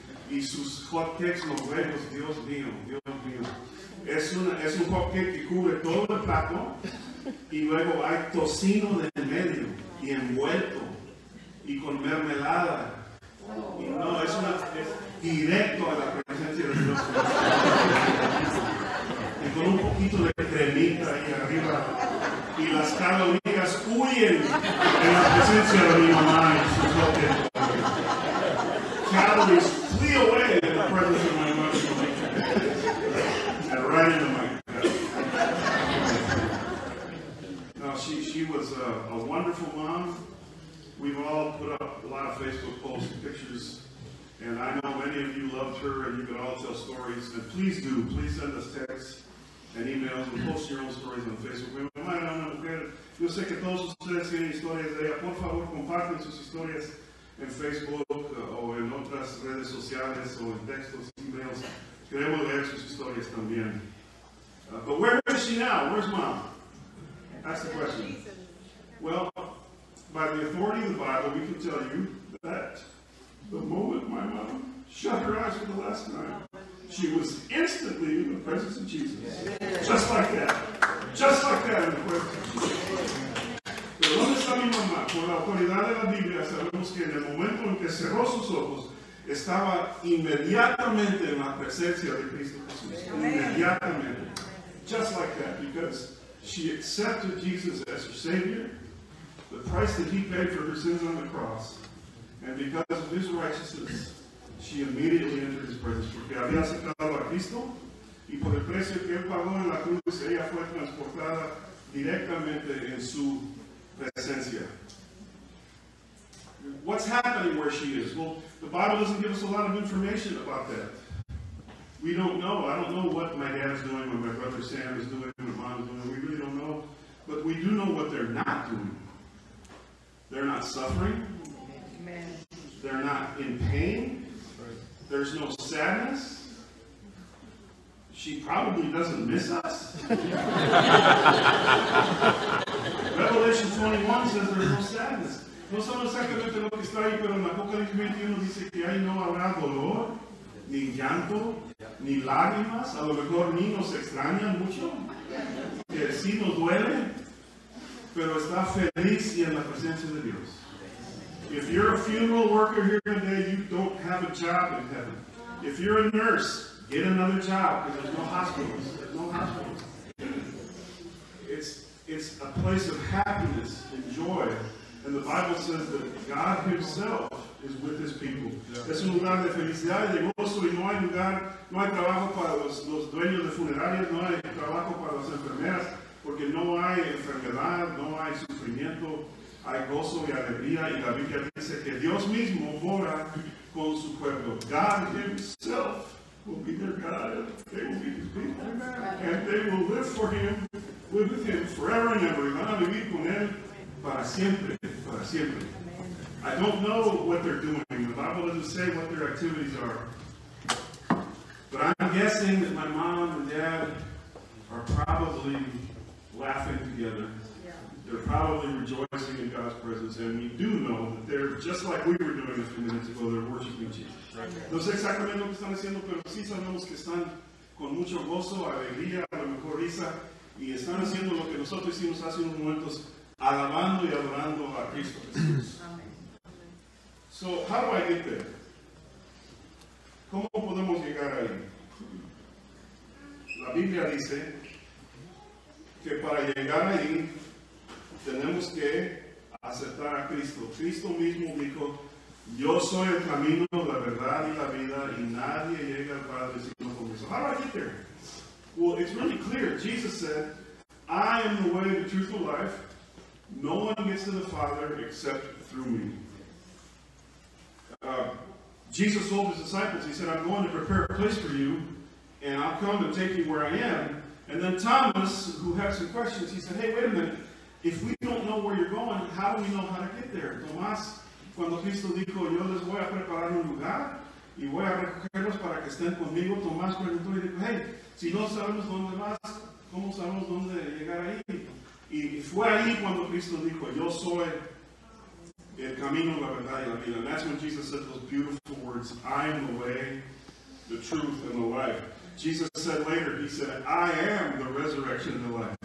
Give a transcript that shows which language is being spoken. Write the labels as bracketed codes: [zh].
[es] Y sus hot cakes, los huevos, Dios mío. Es un hot cake que cubre todo el plato y luego hay tocino en el medio y envuelto y con mermelada. Y no, es directo a la presencia de Dios. Y con un poquito de cremita ahí arriba. Y las calorías huyen en la presencia de mi mamá y sus hot cakes. [en] calories flee away in the presence of my mother and right into my cup. Now, she was a wonderful mom. We've all put up a lot of Facebook posts and pictures, and I know many of you loved her, and you can all tell stories. And please do. Please send us texts and emails and post your own stories on Facebook. [es] Yo sé que todos ustedes tienen historias de ella. Por favor, compartan sus historias en Facebook o en otras redes sociales o en textos, emails. Queremos leer sus historias también. [en] But where is she now? Where's mom? That's the question. Well, by the authority of the Bible, we can tell you that the moment my mom shut her eyes for the last time, she was instantly in the presence of Jesus. Just like that. Just like that in the presence of Jesus. [es] ¿Pero dónde está mi mamá? Por la autoridad de la Biblia sabemos que en el momento en que cerró sus ojos estaba inmediatamente en la presencia de Cristo Jesús. Inmediatamente. [en] Just like that. Because she accepted Jesus as her Savior, the price that he paid for her sins on the cross, and because of his righteousness, she immediately entered his presence. [es] Porque había aceptado a Cristo y por el precio que él pagó en la cruz ella fue transportada directamente en su presencia. [en] What's happening where she is? Well, the Bible doesn't give us a lot of information about that. We don't know. I don't know what my dad is doing, what my brother Sam is doing, what my mom is doing. We really don't know. But we do know what they're not doing. They're not suffering. Amen. They're not in pain. There's no sadness. She probably doesn't miss us. Revelation 21 says there's no sadness. [es] No solo exactamente lo que está ahí, pero en Apocalipsis 21 dice que ahí no habrá dolor, ni llanto, ni lágrimas. A lo mejor ni nos extrañan mucho. Que sí nos duele, pero está feliz y en la presencia de Dios. [en] If you're a funeral worker here today, you don't have a job in heaven. If you're a nurse, get another job, because there's no hospitals. There's no hospitals. It's a place of happiness and joy. And the Bible says that God himself is with his people. Yeah. [es] Es un lugar de felicidad y de gozo, y no hay lugar, no hay trabajo para los dueños de funerarias, no hay trabajo para las enfermeras, porque no hay enfermedad, no hay sufrimiento, hay gozo y alegría. Y la Biblia dice que Dios mismo mora con su pueblo. [en] God himself will be their God, they will be his people, and they will live for him, live with him forever and ever. [es] Y van a vivir con él para siempre, para siempre. [en] I don't know what they're doing. The Bible doesn't say what their activities are. But I'm guessing that my mom and dad are probably laughing together. Yeah. They're probably rejoicing in God's presence. And we do know that they're, just like we were doing a few minutes ago, they're worshiping Jesus. [es] No sé exactamente lo que están haciendo, pero sí sabemos que están con mucho gozo, alegría, a lo mejor risa, y están haciendo lo que nosotros hicimos hace unos momentos, alabando y adorando a Cristo Jesús. [en] So, how do I get there? [es] ¿Cómo podemos llegar ahí? La Biblia dice que para llegar ahí tenemos que aceptar a Cristo. Cristo mismo dijo, yo soy el camino, la verdad y la vida, y nadie llega al Padre sino por mí. [en] So, how do I get there? Well, it's really clear. Jesus said, I am the way, the truth, the life. No one gets to the Father except through me. Jesus told his disciples, he said, I'm going to prepare a place for you, and I'll come and take you where I am. And then Thomas, who had some questions, he said, hey, wait a minute. If we don't know where you're going, how do we know how to get there? [es] Tomás, cuando Cristo dijo, yo les voy a preparar un lugar, y voy a recogerlos para que estén conmigo, Tomás preguntó y dijo, hey, si no sabemos dónde vas, ¿cómo sabemos dónde llegar ahí? Y fue ahí cuando Cristo dijo, yo soy el camino, la verdad y la vida. [en] And that's when Jesus said those beautiful words, I am the way, the truth, and the life. Jesus said later, he said, I am the resurrection and the life.